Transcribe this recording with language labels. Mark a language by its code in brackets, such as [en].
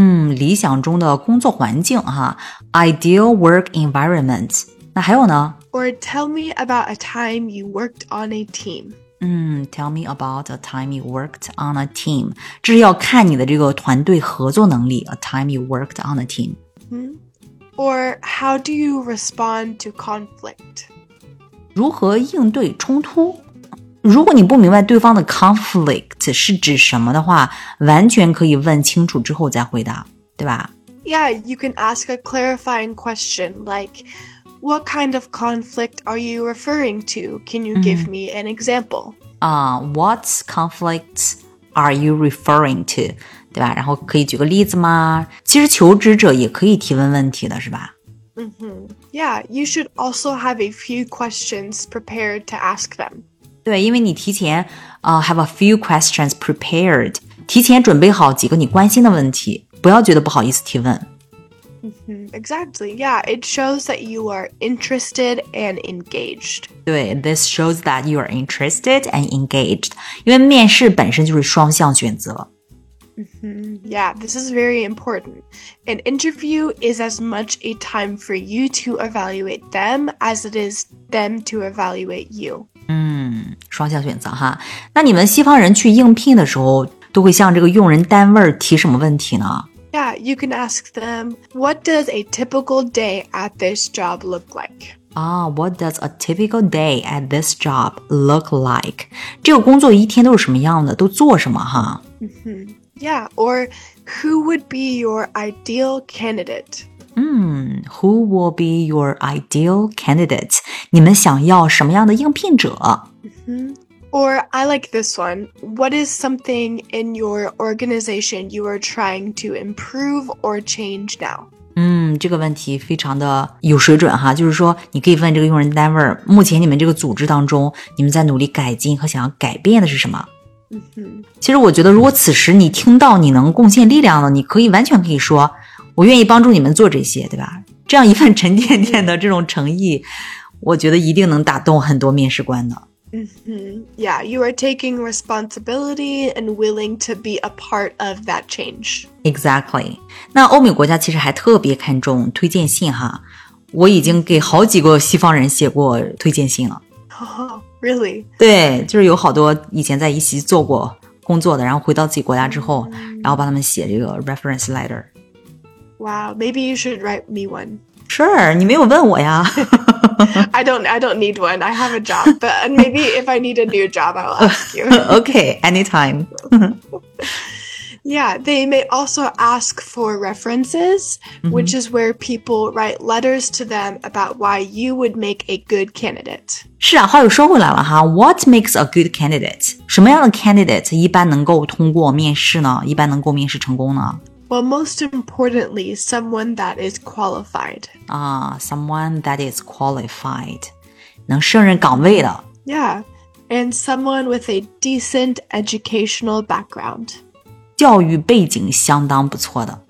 [zh] 理想中的工作环境哈 , [en] ideal work environment, [zh] 那还有呢 [en] ?Or tell me about a time you worked on a team. Tell me about a time you worked on a team. [zh] 这是要看你的这个团队合作能力 [en] ,a time you worked on a team.、 Mm-hmm. Or how do you respond to conflict? [zh] 如何应对冲突？如果你不明白对方的 conflict 是指什么的话，完全可以问清楚之后再回答，对吧？ [en] Yeah, you can ask a clarifying question like, what kind of conflict are you referring to? Can you give me an example? What conflict are you referring to? [zh] 对吧？然后可以举个例子吗？其实求职者也可以提问问题的是吧？ [en] Mm-hmm. Yeah, you should also have a few questions prepared to ask them. [zh] 对，因为你提前、 [en] have a few questions prepared, [zh] 提前准备好几个你关心的问题，不要觉得不好意思提问。 [en] Mm-hmm, exactly, yeah, it shows that you are interested and engaged. 对， this shows that you are interested and engaged, [zh] 因为面试本身就是双向选择。 [en] Mm-hmm, yeah, this is very important. An interview is as much a time for you to evaluate them as it is them to evaluate you. [zh] 双向选择哈，那你们西方人去应聘的时候都会向这个用人单位提什么问题呢？ [en] Yeah, you can ask them, what does a typical day at this job look like? What does a typical day at this job look like? [zh] 这个工作一天都是什么样的，都做什么哈、 [en] mm-hmm. Yeah, or who would be your ideal candidate? Who will be your ideal candidate? [zh] 你们想要什么样的应聘者、 [en] mm-hmm. Or I like this one. What is something in your organization you are trying to improve or change now? [zh] 这个问题非常的有水准哈，就是说你可以问这个用人单位，目前你们这个组织当中，你们在努力改进和想要改变的是什么？ [en] mm-hmm. [zh] 其实我觉得如果此时你听到你能贡献力量的，你可以完全可以说我愿意帮助你们做这些，对吧？这样一份沉甸甸的这种诚意，我觉得一定能打动很多面试官的。 [en] Yeah, you are taking responsibility and willing to be a part of that change. Exactly. [zh] 那欧美国家其实还特别看重推荐信哈，我已经给好几个西方人写过推荐信了。 [en] Oh, really? [zh] 对，就是有好多以前在一起做过工作的，然后回到自己国家之后，然后帮他们写这个 reference letter。 [en] Wow, maybe you should write me one. [zh] Sure, 你没有问我呀。 [en] I don't need one. I have a job, but maybe if I need a new job, I'll ask you. Okay, anytime. Yeah, they may also ask for references,、mm-hmm. which is where people write letters to them about why you would make a good candidate. [zh] 是啊，话又说回来了哈。 [en] What makes a good candidate? [zh] 什么样的 candidate 一般能够通过面试呢？一般能够面试成功呢？ [en] Well, most importantly, someone that is qualified. Someone that is qualified. [zh] 能胜任岗位的。 [en] Yeah, and someone with a decent educational background. [zh] 教育背景相当不错的。